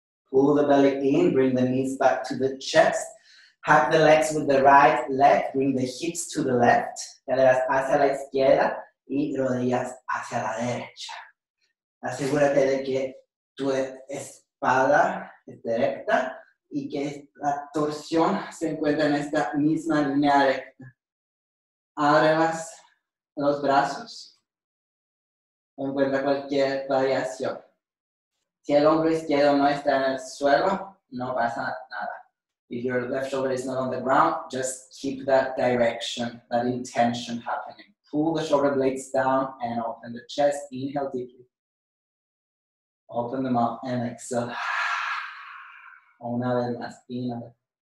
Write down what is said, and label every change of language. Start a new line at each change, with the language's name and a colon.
English: Pull the belly in, bring the knees back to the chest. Hug the legs with the right leg, bring the hips to the left.
Spanish: Caderas hacia la izquierda y rodillas hacia la derecha. Asegúrate de que tu espalda esté recta y que la torsión se encuentre en esta misma línea recta. Abre los brazos. Encuentra cualquier variación. Si el hombro izquierdo no está en el suelo, no pasa nada.
English: If your left shoulder is not on the ground, just keep that direction, that intention happening. Pull the shoulder blades down and open the chest. Inhale deeply. Open them up and exhale.
Spanish: Una vez más,
English: inhale.